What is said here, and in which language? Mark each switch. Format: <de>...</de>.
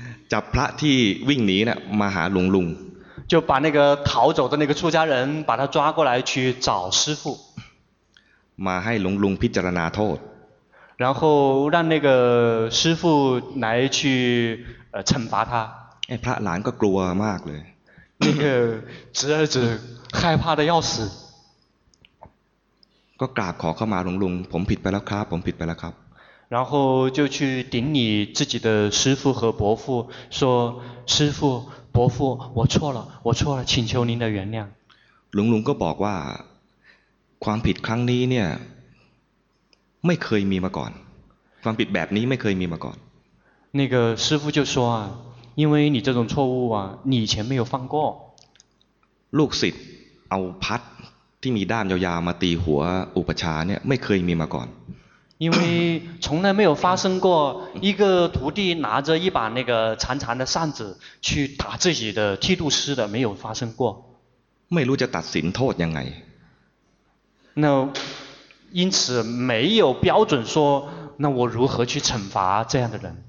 <th>จับพระที่วิ่งหนีเนี่ยมาหาหลวงลุง</th> <zh>就把那个逃走的那个出家人把他抓过来去找师父</zh> <th>มาให้หลวงลุงพิจารณาโทษ</th> <zh>然后让那个师父来去惩罚他</zh> <th>ไอ้พระหลานก็กลัวมากเลย</th> <zh>那个侄儿子害怕的要死</zh> <th>ก็กราบขอเข้ามาหลวงลุงผมผิดไปแล้วครับผมผิดไปแล้วครับ</th> <zh>然后就去顶礼自己的师父和伯父说师父伯父我错了我错了请求您的原谅</zh> <th>หลวงลุงก็บอกว่าความผิดครั้งนี้เนี่ยไม่เคยมีมาก่อนความผิดแบบนี้ไม่เคยมีมาก่อน</th> <zh>那个师父就说啊因为你这种错误啊你以前没有犯过</zh> <th>ลูกศิษย์เอาพัดที่มีด้ามยาวๆมาตีหัวอุปัชฌาย์เนี่ยไม่เคยมีมาก่อน</th> <zh>因为从来没有发生过一个徒弟拿着一把那个长长的扇子去打自己的剃度师的没有发生过</zh> <th>ไม่รู้จะตัดสินโทษยังไง</th> <zh>那因此没有标准说那我如何去惩罚这样的人</zh>